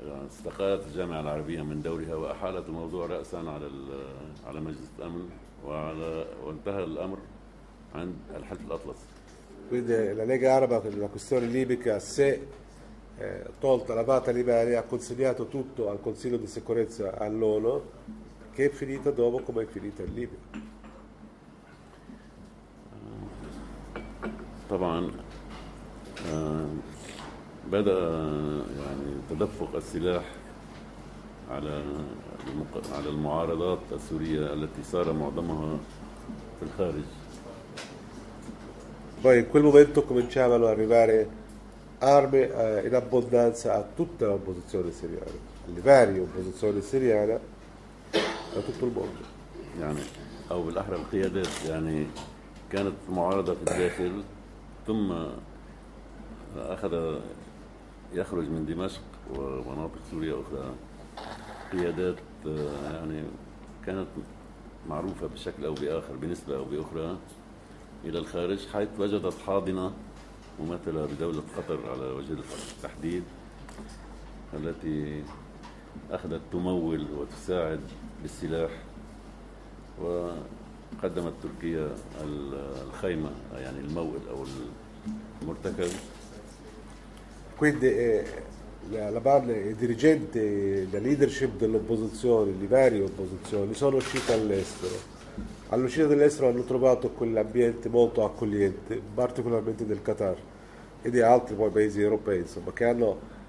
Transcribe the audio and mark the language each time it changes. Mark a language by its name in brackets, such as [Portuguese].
[Arabic] استقالت الجامعة العربية من دورها وأحالت الموضوع رأساً على مجلس الأمن وانتهى الأمر عند الحلف الأطلسي. [Italian] Quindi la Lega Araba nella questione libica se tolta la vata libera ha consegnato tutto al Consiglio di Sicurezza all'ONU che è finita dopo come è finita in Libia. [Arabic] طبعا بدأ يعني تدفق السلاح على المعارضات السورية التي صار معظمها في الخارج. [Italian] Poi in quel momento cominciavano ad arrivare armi in abbondanza a tutta l'opposizione siriana, alle varie opposizioni siriane da tutto il mondo. [Arabic] يعني أو بالأحرى القيادات يعني كانت معارضة في الداخل ثم أخذ يخرج من دمشق ومناطق سوريا أخرى قيادات يعني كانت معروفة بشكل أو بآخر بنسبة أو بأخرى إلى الخارج حيث وجدت حاضنة ممثلة بدولة قطر على وجه التحديد التي أخذت تمول وتساعد بالسلاح وقدمت تركيا الخيمة يعني المول أو المرتكب. [Italian] Quindi la base, il dirigente, la leadership dell'opposizione, le varie opposizioni sono uscite all'estero. All'uscita dell'estero hanno trovato quell'ambiente molto accogliente, particolarmente del Qatar e di altri poi paesi europei, insomma, che hanno